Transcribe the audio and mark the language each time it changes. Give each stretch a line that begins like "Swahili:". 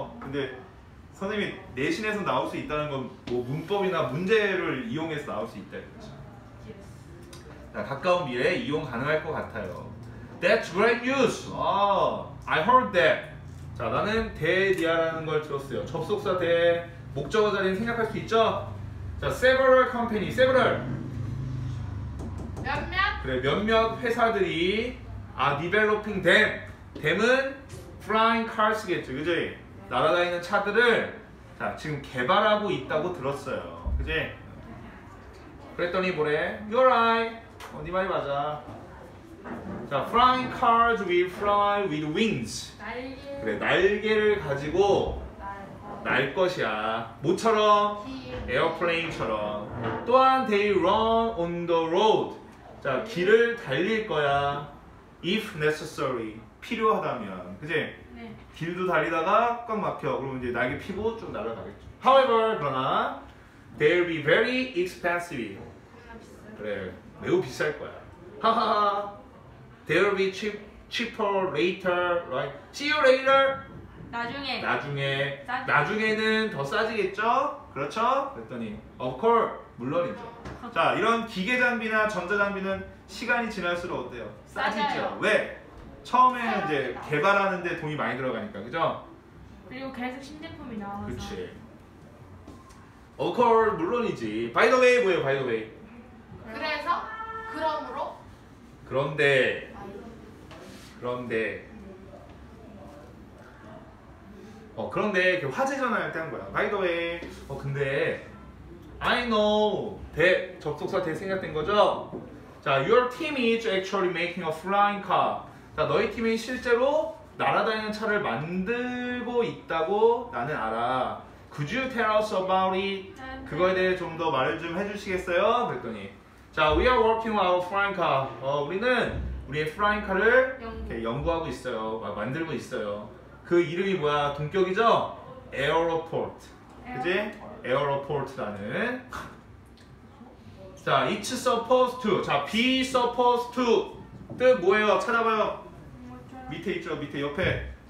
Korean: 근데 선생님이 내신에서 나올 수 있다는 건 뭐 문법이나 문제를 이용해서 나올 수 있다 이거죠. 자, 가까운 미래에 이용 가능할 것 같아요.
English: That's great news. I heard that.
Korean: 자 나는 대디아라는 걸 들었어요. 접속사 대 목적어 자리는 생각할 수 있죠.
English: 자 several company, several
Korean: 몇몇 그래 몇몇 회사들이 아,
English: developing them.
Korean: them은 flying cars겠죠, 그지? 날아다니는 차들을 자, 지금 개발하고 있다고 들었어요, 그지? 그랬더니 뭐래?
English: You're right.
Korean: 어, 네 말이 맞아.
English: 자, flying cars will fly with wings.
Korean: 날개. 그래, 날개를 가지고 날 것이야. 모처럼 에어플레인처럼. 또한
English: they run on the road.
Korean: 자, 길을 달릴 거야.
English: If necessary.
Korean: 필요하다면. 그치? 네. 길도 달리다가 꽉 막혀. 그러면 이제 날개 피고 좀 날아가겠죠.
English: However,
Korean: 그러나
English: they'll be very expensive.
Korean: 그래, 매우 비쌀 거야. 하하하.
English: They'll be cheaper later, right? See you later.
Korean: 나중에. 나중에. 싸지. 나중에는 더 싸지겠죠? 그렇죠? 그랬더니
English: of course,
Korean: 물론이죠. 자, 이런 기계 장비나 전자 장비는 시간이 지날수록 어때요? 싸지죠. 싸져요. 왜? 처음에는 사용합니다. 이제 개발하는데 돈이 많이 들어가니까, 그죠? 그리고 계속 신제품이 나와서. 그렇지.
English: Of course,
Korean: 물론이지.
English: By the way,
Korean: 뭐예요?
English: By the way.
Korean: 그래서? 그럼으로? 그런데, 그런데, 그런데 그 화재 전화할 때 한 거야.
English: By the way,
Korean: 근데
English: I know that
Korean: 접속사 대 생각된 거죠?
English: 자, your team is actually making a flying car.
Korean: 자, 너희 팀이 실제로 날아다니는 차를 만들고 있다고 나는 알아.
English: Could you tell us about it?
Korean: 그거에 대해 좀 더 말을 좀 해주시겠어요? 그랬더니
English: 자, we are working our flying car.
Korean: 우리는 우리의 flying car를 연구. 연구하고 있어요. 만들고 있어요. 그 이름이 뭐야? 동격이죠? Aeroport. 그지? Aeroport라는. 자,
English: it's supposed to.
Korean: 자, be supposed to. 뜻 뭐예요? 찾아봐요. 밑에 있죠? 밑에 옆에.